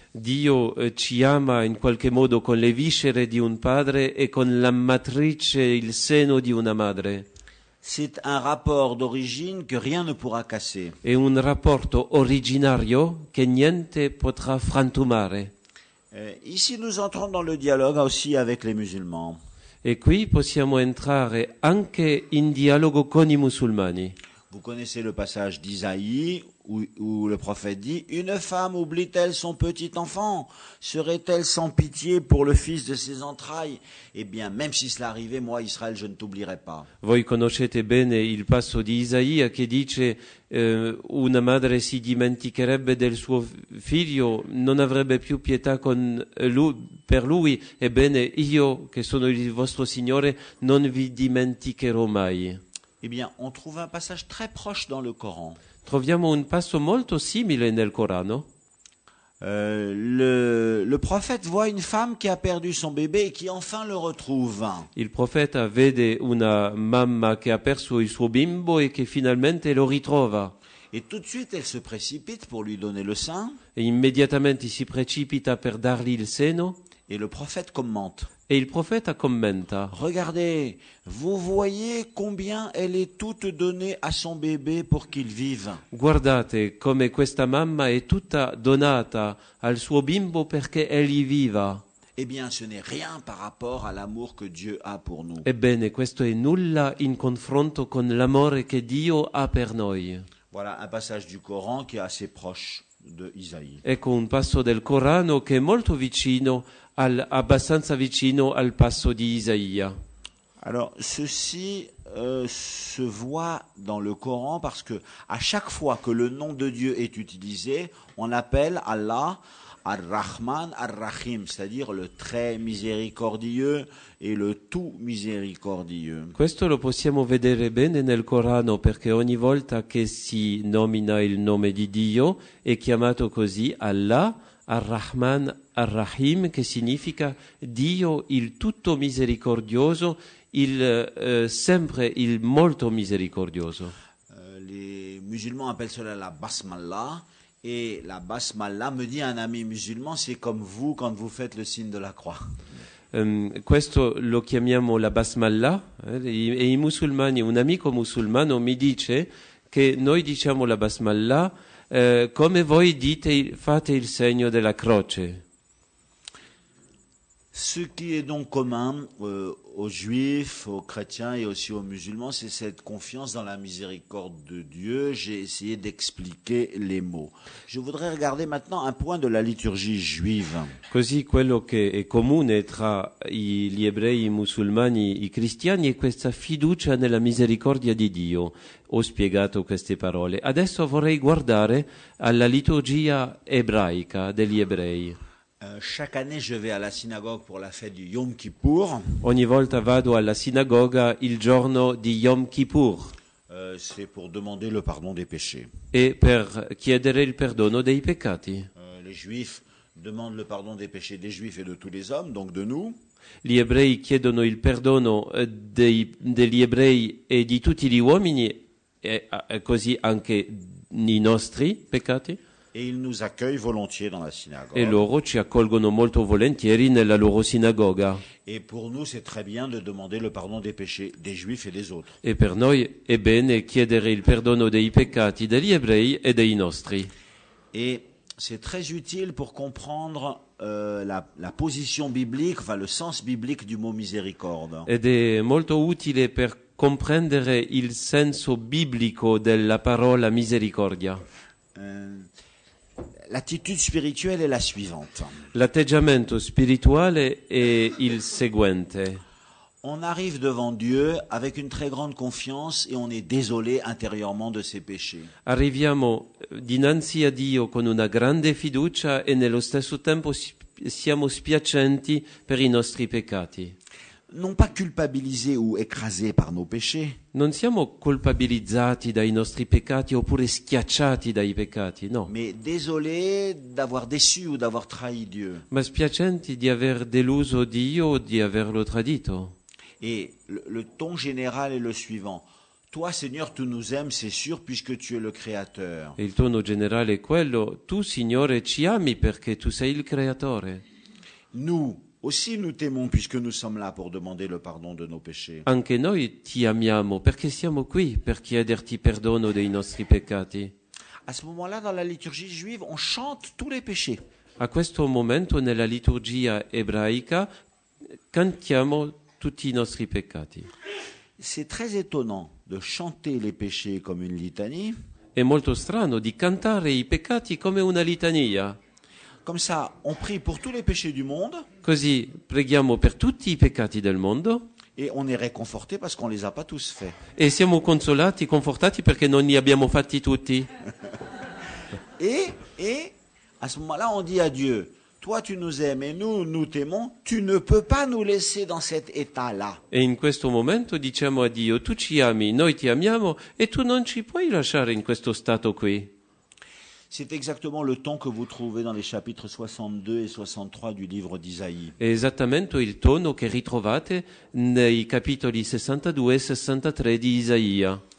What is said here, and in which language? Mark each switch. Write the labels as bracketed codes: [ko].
[it] Dio ci ama in qualche modo con le viscere di un padre e con la matrice, il seno di una madre. [fr] C'est un rapport d'origine que rien ne pourra casser. [it] È un rapporto originario che niente potrà frantumare. [fr] Ici nous entrons dans le dialogue aussi avec les musulmans. [it] E qui possiamo entrare anche in dialogo con i musulmani. [fr] Vous connaissez le passage d'Isaïe où le prophète dit: une femme oublie-t-elle son petit enfant? Serait-elle sans pitié pour le fils de ses entrailles? Eh bien, même si cela arrivait, moi, Israël, je ne t'oublierai pas. [it] Voi conoscete bene il passo di Isaia che dice: una madre si dimenticherebbe del suo figlio, non avrebbe più pietà con lui, per lui. Ebbene, io che sono il vostro Signore non vi dimenticherò mai. [fr] Eh bien, on trouve un passage très proche dans le Coran. [it] Troviamo un passo molto simile nel Corano. [fr] Le prophète voit une femme qui a perdu son bébé et qui enfin le retrouve. [it] Il profeta vede una mamma che ha perso il suo bimbo e che finalmente lo ritrova. [fr] Et tout de suite, elle se précipite pour lui donner le sein. [it] E immediatamente si precipita per dargli il seno. [fr] Et le prophète commente. [it] E il profeta commenta: [fr] regardez, vous voyez combien elle est toute donnée à son bébé pour qu'il vive. [it] Guardate come questa mamma è tutta donata al suo bimbo perché egli viva. [fr] Eh bien, ce n'est rien par rapport à l'amour que Dieu a pour nous. [it] Ebbene, questo è nulla in confronto con l'amore che Dio ha per noi. [fr] Voilà un passage du Coran qui est assez proche de Isaïe. [it] Ecco un passo del Corano che è molto vicino, abbastanza vicino al passo di Isaia. [fr] Alors ceci se voit dans le Coran parce que à chaque fois que le nom de Dieu est utilisé, on appelle Allah Ar-Rahman Ar-Rahim, c'est-à-dire le très miséricordieux et le tout miséricordieux. [it] Questo lo possiamo vedere bene nel Corano perché ogni volta che si nomina il nome di Dio è chiamato così Allah Ar-Rahman Ar-Rahim, che significa Dio il tutto misericordioso, sempre il molto misericordioso. [fr] Les musulmans appellent cela la basmallah, et la basmallah, me dit un ami musulman, c'est comme vous quand vous faites le signe de la croix. [it] Questo lo chiamiamo la basmallah, e i musulmani, un amico musulmano mi dice che noi diciamo la basmallah come voi dite, fate il segno della croce. [fr] Ce qui est donc commun aux juifs, aux chrétiens et aussi aux musulmans, c'est cette confiance dans la miséricorde de Dieu. J'ai essayé d'expliquer les mots. Je voudrais regarder maintenant un point de la liturgie juive. [it] Così quello che è comune tra gli ebrei, i musulmani, i cristiani è questa fiducia nella misericordia di Dio. Ho spiegato queste parole. Adesso vorrei guardare alla liturgia ebraica degli ebrei. [fr] Chaque année, je vais à la synagogue pour la fête du Yom Kippour. [it] Ogni volta vado alla sinagoga il giorno di Yom Kippour. [fr] C'est pour demander le pardon des péchés. [it] E per chiedere il perdono dei peccati. [fr] Les Juifs demandent le pardon des péchés des Juifs et de tous les hommes, donc de nous. [it] Gli ebrei chiedono il perdono degli ebrei e di tutti gli uomini, e così anche i nostri peccati. [fr] Et ils nous accueillent volontiers dans la synagogue. [it] E loro ci accolgono molto volentieri nella loro sinagoga. [fr] Et pour nous, c'est très bien de demander le pardon des péchés des Juifs et des autres. [it] E per noi è bene chiedere il perdono dei peccati degli ebrei e dei nostri. [fr] Et c'est très utile pour comprendre la position biblique, enfin le sens biblique du mot miséricorde. [it] Ed è molto utile per comprendere il senso biblico della parola misericordia. [fr] L'attitude spirituelle est la suivante. [it] L'atteggiamento spirituale è il seguente. [fr] On arrive devant Dieu avec une très grande confiance et on est désolé intérieurement de ses péchés. [it] Arriviamo dinanzi a Dio con una grande fiducia e nello stesso tempo siamo spiacenti per i nostri peccati. [fr] Non pas culpabilisés ou écrasés par nos péchés. [it] Non siamo colpabilizzati dai nostri peccati oppure schiacciati dai peccati, no. [fr] Mais désolés d'avoir déçu ou d'avoir trahi Dieu. [it] Ma spiacenti di aver deluso Dio o di averlo tradito. [fr] Et le ton général est le suivant. Toi, Seigneur, tu nous aimes, c'est sûr, puisque tu es le Créateur. [it] E il tono generale è quello. Tu, Signore, ci ami perché tu sei il Creatore. [fr] Nous, Aussi nous t'aimons puisque nous sommes là pour demander le pardon de nos péchés. [it] Anche noi ti amiamo perché siamo qui per chiederti perdono dei nostri peccati. [fr] À ce moment-là, dans la liturgie juive, on chante tous les péchés. [it] A questo momento nella liturgia ebraica cantiamo tutti i nostri peccati. [fr] C'est très étonnant de chanter les péchés comme une litanie. [it] È molto strano di cantare i peccati come una litania. [fr] Comme ça, on prie pour tous les péchés du monde. [it] Così preghiamo per tutti i peccati del mondo. [fr] Et on est réconforté parce qu'on les a pas tous faits. [it] E siamo consolati, confortati perché non li abbiamo fatti tutti. [fr] Et à ce moment-là, on dit à Dieu, toi tu nous aimes et nous nous t'aimons, tu ne peux pas nous laisser dans cet état-là. [it] E in questo momento diciamo a Dio, tu ci ami, noi ti amiamo e tu non ci puoi lasciare in questo stato qui. [fr] C'est exactement le ton que vous trouvez dans les chapitres 62 et 63 du livre d'Isaïe. [it] Esattamente il tono che ritrovate nei capitoli 62 e 63 di Isaia.